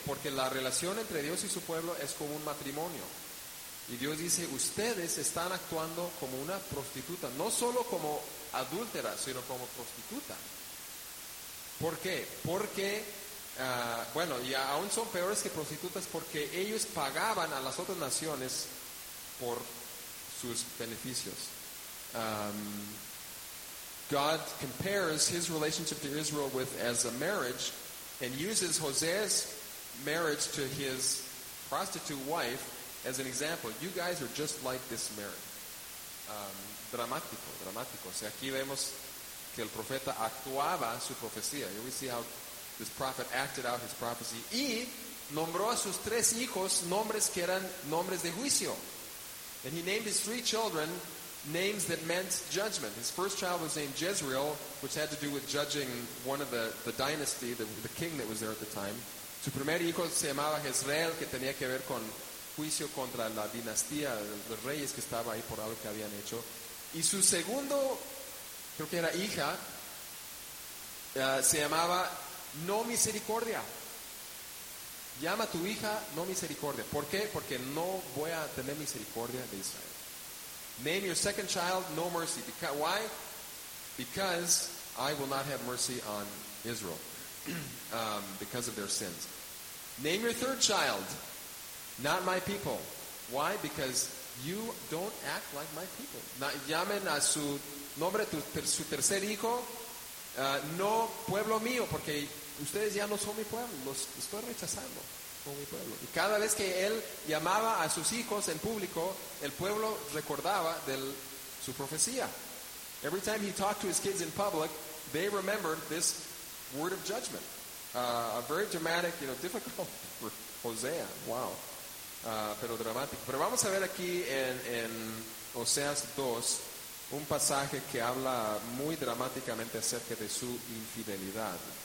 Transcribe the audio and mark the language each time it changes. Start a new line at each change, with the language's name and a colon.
Spanish: Porque la relación entre Dios y su pueblo es como un matrimonio. Y Dios dice, ustedes están actuando como una prostituta, no solo como adúltera, sino como prostituta. ¿Por qué? Porque, bueno, y aún son peores que prostitutas porque ellos pagaban a las otras naciones por sus beneficios.
English: God compares his relationship to Israel with as a marriage and uses Hosea's marriage to his prostitute wife as an example. You guys are just like this marriage.
Spanish: dramático. O sea, aquí vemos que el profeta actuaba su profecía.
English: Here we see how this prophet acted out his prophecy.
Spanish: Y nombró a sus tres hijos nombres que eran nombres de juicio.
English: And he named his three children names that meant judgment. His first child was named Jezreel, which had to do with judging one of the dynasty, the king that was there at the time.
Spanish: Su primer hijo se llamaba Jezreel, que tenía que ver con juicio contra la dinastía de reyes que estaba ahí por algo que habían hecho. Y su segundo, creo que era hija, se llamaba No Misericordia. Llama a tu hija No Misericordia. ¿Por qué? Porque no voy a tener misericordia de Israel.
English: Name your second child No Mercy. Because, why? Because I will not have mercy on Israel because of their sins. Name your third child Not My People. Why? Because you don't act like my people.
Spanish: Llamen a su nombre su tercer hijo No Pueblo Mío, porque ustedes ya no son mi pueblo. Los estoy rechazando como mi pueblo. Y cada vez que él llamaba a sus hijos en público, el pueblo recordaba de su profecía.
English: Every time he talked to his kids in public, they remembered this word of judgment. A very dramatic, you know, difficult for Hosea.
Spanish: Wow. Pero dramático. Pero vamos a ver aquí en Oseas 2 un pasaje que habla muy dramáticamente acerca de su infidelidad.